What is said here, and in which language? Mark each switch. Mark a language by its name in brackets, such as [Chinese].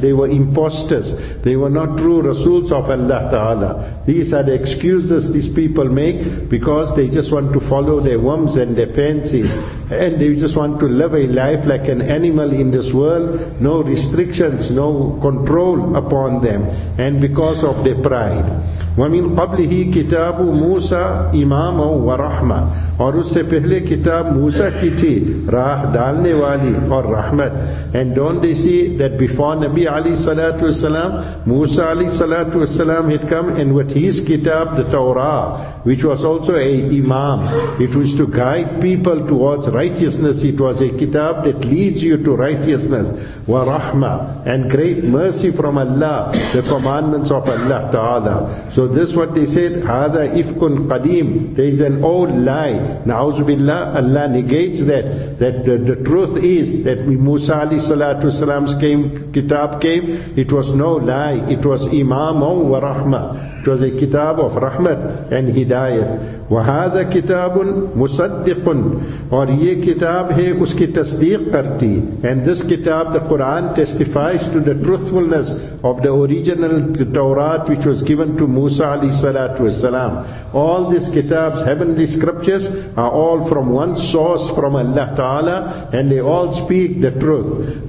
[English] They were imposters. They were not true rasuls of Allah Ta'ala. These are the excuses these people make because they just want to follow their whims and their fancies. And they just want to live a life like an animal in this world, no restrictions, no control upon them. And because of their pride. [Arabic] وَمِن قَبْلِهِ كِتَابُ مُوسَى إِمَامًا وَرَحْمَةً [Urdu] اور اس سے پہلے کتاب موسیٰ کی تھی راہ ڈالنے والی اور رحمت. [English] And don't they see that before Nabi Ali Salatu Wasalam, Musa Ali Salatu Wasalam had come, and with his kitab, the Torah, which was also a imam, it was to guide people towards righteousness. It was a kitab that leads you to righteousness. وَرَحْمَةً and great mercy from Allah, the commandments of Allah Ta'ala. So this what they said, [Arabic] هَذَا إِفْكٌ قَدِيمٌ. [English] There is an old lie. [Arabic] نَعُوذُ بِاللَّهِ. [English] Allah negates that. That the truth is that Musa alayhi salatu wasalam's kitab came, it was no lie. It was [Arabic] إِمَامًا وَرَحْمَةً. [English] It was a kitab of rahmat and hidayat. [Arabic] وَهَذَا كِتَابٌ مُصَدِّقٌ [Urdu] اور یہ کتاب ہے اس کی تصدیق کرتی. [English] And this kitab, the Quran, testifies to the truthfulness of the original Torah which was given to Musa Musa alayhi salatu was salam. All these kitabs, heavenly scriptures, are all from one source, from Allah Ta'ala, and they all speak the truth.